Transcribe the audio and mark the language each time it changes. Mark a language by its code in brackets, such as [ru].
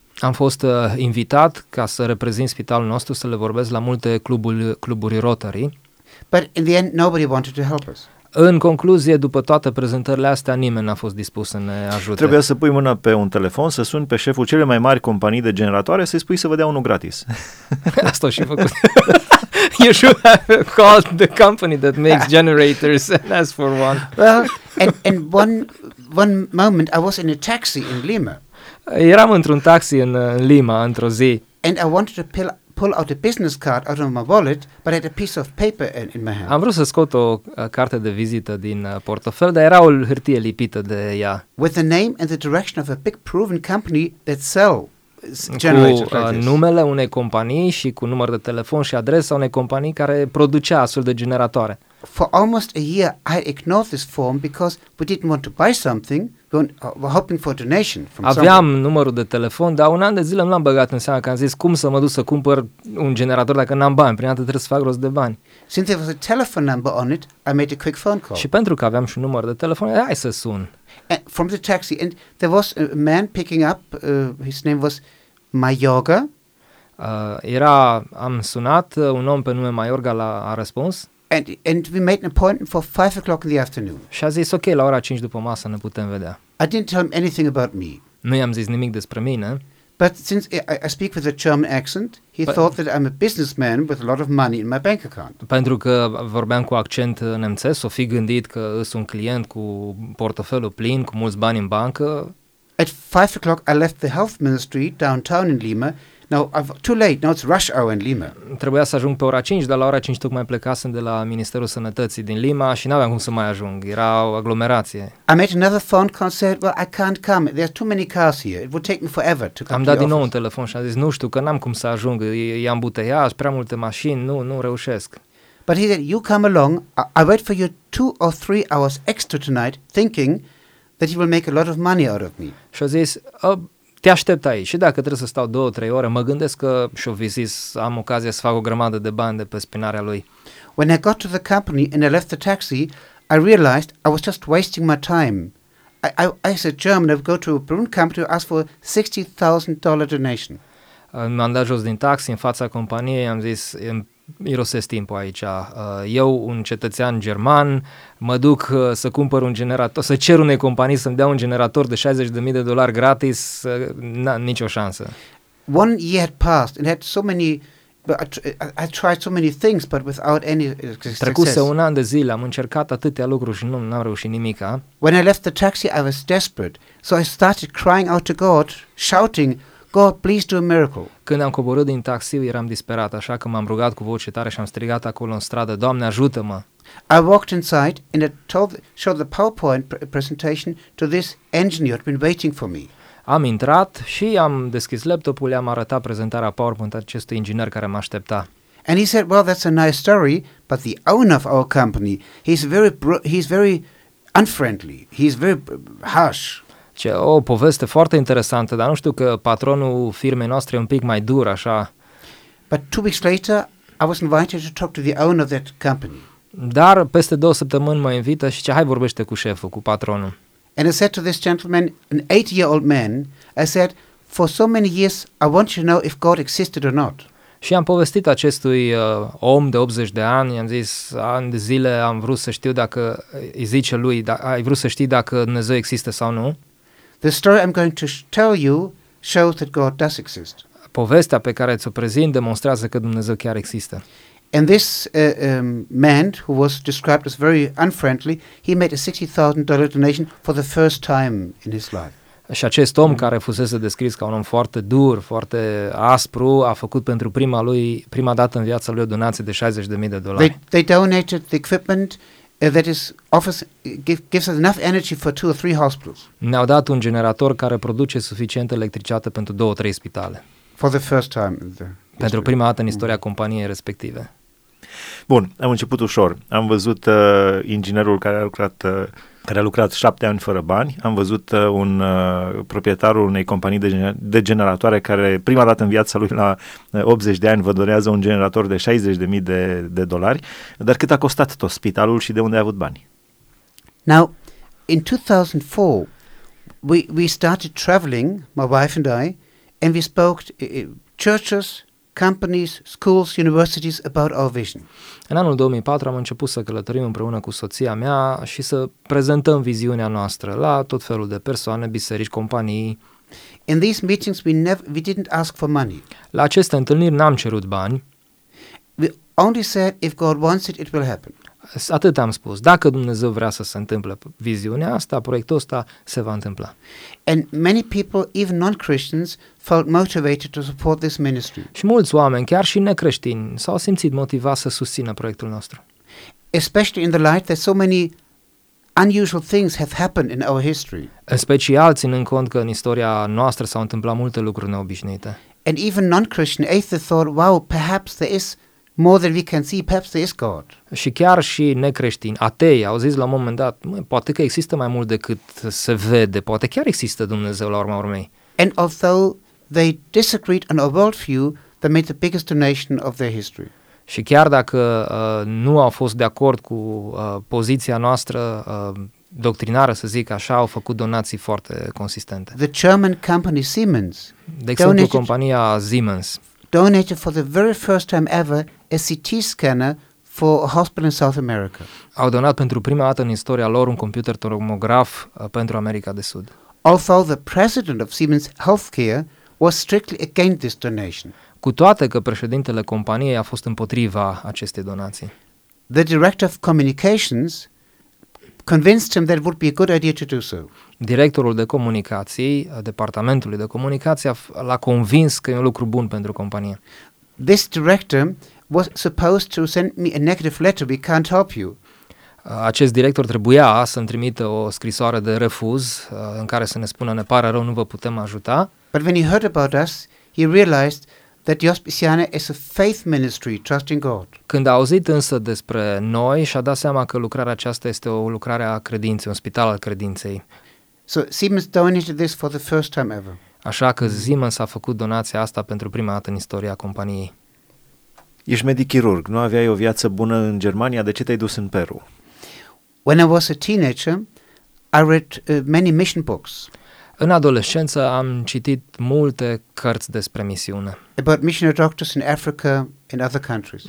[ro] Am fost invitat ca să reprezint spitalul nostru, să le vorbesc la multe cluburi Rotary. [en] But in the end, nobody wanted to help us. [ro] În concluzie, după toate prezentările astea, nimeni n-a fost dispus să ne ajute. Trebuia să pui mâna pe un telefon, să suni pe șeful cele mai mari companii de generatoare, să-i spui să vă dea unul gratis. Asta o și făcut. [en] You should have called the company that makes generators and ask for one. Well, and one moment, I was in a taxi in Lima. [ro] Eram într-un taxi în Lima într-o zi. [en] And I wanted to pull out a business card out of my wallet, but I had a piece of paper in my hand. [ro] Am vrut să scot o carte de vizită din portofel, dar era o hârtie lipită de ea. [en] With the name and the direction of a big proven company that sell generators. [ro] Cu numele unei companii și cu număr de telefon și adresa unei companii care producea astfel de generatoare. [en] For almost a year I ignored this form because we didn't want to buy something. We're hoping for a donation from someone. [ro] Aveam numărul de telefon, dar un an de zile nu l-am băgat în seamă, că am zis cum să mă duc să cumpăr un generator dacă n-am bani, prin atât trebuie să fac rost de bani. [en] Since there was a telephone number on it, I made a quick phone call. [ro] Și pentru că aveam și un număr de telefon, hai să sun. [en] And from the taxi, and there was a man picking up, his name was Mayorga. [ro] Am sunat, un om pe nume Mayorga a răspuns. [en] And we made an appointment for 5 o'clock in the afternoon. [ro] Și a zis, ok, la ora 5 după masă ne putem vedea. [en] I didn't tell him anything about me. [ro] Nu i-am zis nimic despre mine. [en] But since I speak with a German accent, he thought that I'm a businessman with a lot of money in my bank account. [ro] Pentru că vorbeam cu accent nemțesc, s-o fi gândit că sunt un client cu portofelul plin, cu mulți bani în bancă. [en] At 5 o'clock I left the health ministry downtown in Lima. Now, too late. Now it's rush hour in Lima. [ro] Trebuia să ajung pe ora 5, dar la ora 5 tocmai plecasem de la Ministerul Sănătății din Lima și n-aveam cum să mai ajung. Era o aglomerație. [en] I made another phone call and said, "Well, I can't come. There's too many cars here. It would take me forever to come." [ro] Am dat din nou un telefon și am zis, "Nu știu, că n-am cum să ajung. E ambuteiaj, prea multe mașini, nu reușesc." [en] But he said, "You come along. I wait for you 2 or 3 hours extra tonight, thinking that you will make a lot of money out of me." [ro] Și a zis, te aștept aici și dacă trebuie să stau 2-3 ore, mă gândesc că și-o vizis, am ocazia să fac o grămadă de bani de pe spinarea lui. [en] When I got to the company and I left the taxi, I realized I was just wasting my time. I said, German, I'd go to a Brun company to ask for a $60,000 donation. [ro] M-am dat jos din taxi în fața companiei, am zis, irosesc timpul aici. Eu, un cetățean german, mă duc să cumpăr un generator, să cer unei companii să-mi dea un generator de $60,000 gratis, nicio șansă. [en] One year had passed and had so many I tried so many things, but without any success. [ro] Trecuse un an de zile, am încercat atâtea lucruri și n-am reușit nimica. [en] When I left the taxi, I was desperate. So I started crying out to God, shouting, God, please do a miracle. [ro] Când am coborât din taxi, eram disperat, așa că m-am rugat cu voce tare și am strigat acolo în stradă, Doamne, ajută-mă! [en] I walked inside and I showed the PowerPoint presentation to this engineer who had been waiting for me. [ro] Am intrat și am deschis laptopul, i-am arătat prezentarea PowerPoint acestui inginer care mă aștepta. [en] And he said, well, that's a nice story, but the owner of our company, he's very unfriendly, he's very harsh. [ro] Ce o poveste foarte interesantă, dar nu știu că patronul firmei noastre e un pic mai dur, așa. [en] But 2 weeks later, I was invited to talk to the owner of that company. [ro] Dar peste 2 săptămâni mă invită și zice, hai vorbește cu șeful, cu patronul. [en] And I said to this gentleman, an 8-year-old man, I said, for so many years, I want you to know if God existed or not. [ro] Și am povestit acestui om de 80 de ani, i-am zis, ani de zile am vrut să știu dacă, îi zice lui, ai vrut să știi dacă Dumnezeu există sau nu. [en] The story I'm going to tell you shows that God does exist. [ro] Povestea pe care ți-o prezint demonstrează că Dumnezeu chiar există. [en] And this man who was described as very unfriendly, he made a $60,000 donation for the first time in his life. [ro] Și acest om care fusese descris ca un om foarte dur, foarte aspru, a făcut pentru prima dată în viața lui o donație de $60,000. [en] They donated the equipment that is offers gives us enough energy for 2 or 3 hospitals. [ro] Ne-au dat un generator care produce suficientă electricitate pentru 2-3 spitale. [en] For the first time in the [ro] pentru prima dată în istoria companiei respective. Bun, am început ușor. Am văzut inginerul care a lucrat, care a lucrat 7 ani fără bani. Am văzut proprietarul unei companii de generatoare care prima dată în viața lui la 80 de ani vă dorează un generator de $60,000. Dar cât a costat tot spitalul și de unde a avut bani? [en] Now, in 2004, we started traveling, my wife and I, and we spoke churches, companies, schools, universities about our vision. [ro] În anul 2004 am început să călătorim împreună cu soția mea și să prezentăm viziunea noastră la tot felul de persoane, biserici, companii. [en] In these meetings we didn't ask for money. [ro] La aceste întâlniri n-am cerut bani. [en] We only said if God wants it, it will happen. [ro] Atât am spus, dacă Dumnezeu vrea să se întâmple viziunea asta, proiectul ăsta se va întâmpla. [en] And many people, even non-Christians, felt motivated to support this ministry. [ro] Și mulți oameni, chiar și necreștini, s-au simțit motivați să susțină proiectul nostru. [en] Especially in the light that so many unusual things have happened in our history. [ro] În special ținând cont că în istoria noastră s-au întâmplat multe lucruri neobișnuite. [en] And even non-Christian atheists thought, wow, perhaps there is more than we can see, perhaps there is God. [ro] Și chiar și necreștini, atei, au zis la un moment dat, poate că există mai mult decât se vede, poate chiar există Dumnezeu la urma urmei. [en] And although they disagreed on a worldview, they made the biggest donation of their history. [ro] Și chiar dacă nu au fost de acord cu poziția noastră doctrinară, să zic așa, au făcut donații foarte consistente. [en] The German company Siemens. [ro] De exemplu, compania Siemens. [en] Donated for the very first time ever a CT scanner for a hospital in South America. [ro] Au donat pentru prima dată în istoria lor un computer tomograf pentru America de Sud. [en] Although the president of Siemens Healthcare was strictly against this donation. [ro] Cu toate că președintele companiei a fost împotriva acestei donații. [en] The director of communications convinced him that it would be a good idea to do so. [ro] Directorul de comunicații, departamentului de comunicații, l-a convins că e un lucru bun pentru companie. [en] This director was supposed to send me a negative letter, we can't help you. [ro] Acest director trebuia să-mi trimită o scrisoare de refuz în care să ne spună, ne pare rău, nu vă putem ajuta. [en] But when he heard about us, he realized that Diospisiana is a faith ministry, trusting God. [ro] Când a auzit însă despre noi, și-a dat seama că lucrarea aceasta este o lucrare a credinței, un spital al credinței. [en] So Siemens donated this for the first time ever. [ro] Așa că Siemens a făcut donația asta pentru prima dată în istoria companiei. Ești medic chirurg, nu aveai o viață bună în Germania, de ce te-ai dus în Peru? [en] When I was a teenager, I read many mission books. [ro] În adolescență am citit multe cărți despre misiune. [en] About missionary doctors in Africa and other countries.